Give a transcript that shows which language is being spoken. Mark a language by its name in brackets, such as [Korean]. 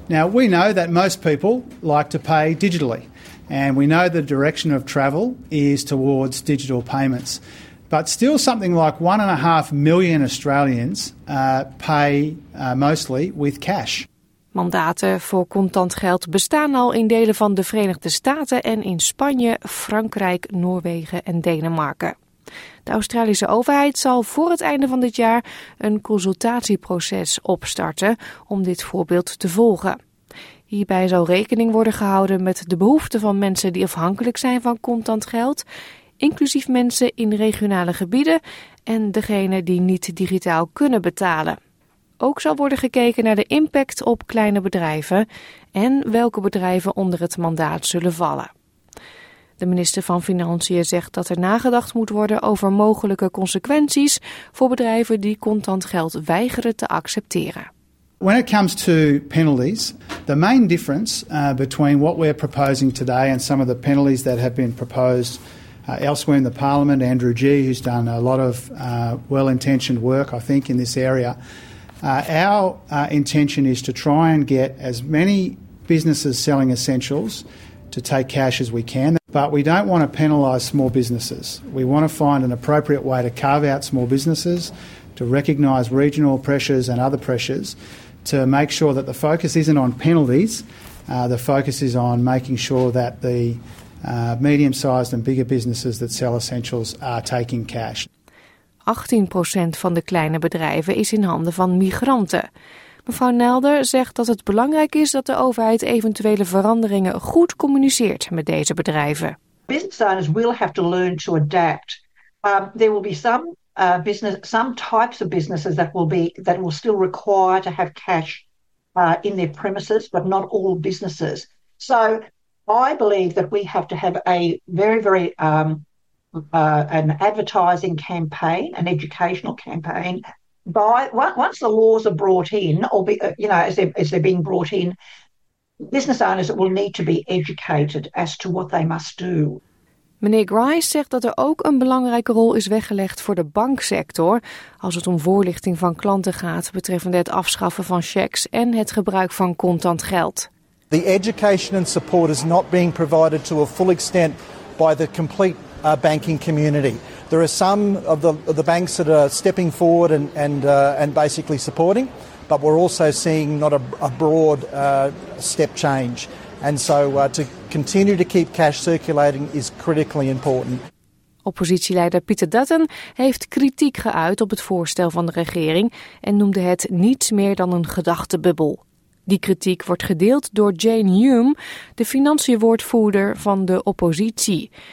[English] Now, we know that most people like to pay digitally, and we know the direction of travel is towards digital payments. But still something like 1.5 million Australians pay mostly with cash. [Dutch] Mandaten voor contant geld bestaan al in delen van de Verenigde Staten en in Spanje, Frankrijk, Noorwegen en Denemarken. De Australische overheid zal voor het einde van dit jaar een consultatieproces opstarten om dit voorbeeld te volgen. Hierbij zal rekening worden gehouden met de behoeften van mensen die afhankelijk zijn van contant geld, inclusief mensen in regionale gebieden en degenen die niet digitaal kunnen betalen. Ook zal worden gekeken naar de impact op kleine bedrijven en welke bedrijven onder het mandaat zullen vallen. De minister van Financiën zegt dat er nagedacht moet worden over mogelijke consequenties voor bedrijven die contant geld weigeren te accepteren. [English] When it comes to penalties, the main difference between what we're proposing today and some of the penalties that have been proposed elsewhere in the parliament, Andrew G, who's done a lot of well-intentioned work, I think, in this area. Our intention is to try and get as many businesses selling essentials to take cash as we can. But we don't want to penalise small businesses. We want to find an appropriate way to carve out small businesses, to recognise regional pressures and other pressures, to make sure that the focus isn't on penalties, the focus is on making sure that the medium-sized and bigger businesses that sell essentials are taking cash. [Dutch] 18% van de kleine bedrijven is in handen van migranten. Mevrouw Nelder zegt dat het belangrijk is dat de overheid eventuele veranderingen goed communiceert met deze bedrijven. [English] Business owners will have to learn to adapt. There will be some types of businesses that will still require to have cash in their premises, but not all businesses. So I believe that we have to have a very, very an advertising campaign, an educational campaign, by once the laws are brought in, or be, you know, as they're being brought in, business owners will need to be educated as to what they must do. [Dutch] Meneer Grice zegt dat er ook een belangrijke rol is weggelegd voor de banksector als het om voorlichting van klanten gaat betreffende het afschaffen van cheques en het gebruik van contant geld. [English] The education and support is not being provided to a full extent by the complete banking community. There are some of the banks that are stepping forward and basically supporting, but we're also seeing not a broad step change. And so to continue to keep cash circulating is critically important. [Dutch] Oppositieleider Pieter Dutton heeft kritiek geuit op het voorstel van de regering en noemde het niets meer dan een gedachtenbubbel. Die kritiek wordt gedeeld door Jane Hume, de financiënwoordvoerder van de oppositie.